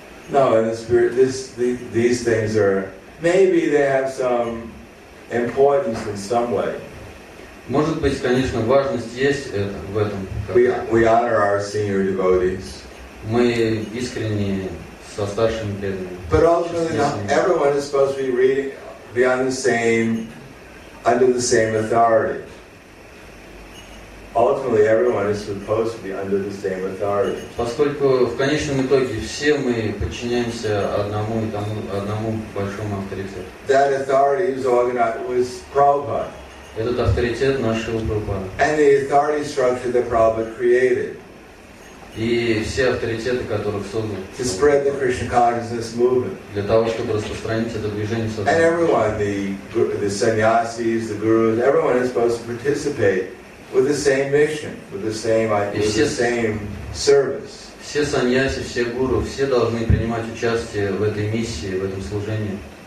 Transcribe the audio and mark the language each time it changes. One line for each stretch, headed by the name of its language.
English: No, in the spirit, these things are, maybe they have some importance in some way.
Russian: Может быть, конечно, важность есть в этом.
English: We honor our senior devotees.
Russian: Мы искренне со старшими преданными.
English: But ultimately, not everyone is supposed to be reading beyond the same, under the same authority. Ultimately, everyone is supposed to be under the same authority.
Russian: Поскольку в конечном итоге все мы подчиняемся одному и тому одному большому авторитету.
English: That authority is organized with Prabhupada.
Russian: Этот авторитет нашего Прабхупады.
English: And the authority structure that Prabhupada created.
Russian: И все авторитеты, которых создал.
English: To spread the Krishna consciousness movement.
Russian: Для того, чтобы распространить это движение.
English: And everyone, the sannyasis, the gurus, everyone is supposed to participate with the same mission, with the same idea, with the same service.
Russian: Все саньяси, все гуру, все должны принимать участие в этой миссии, в этом служении.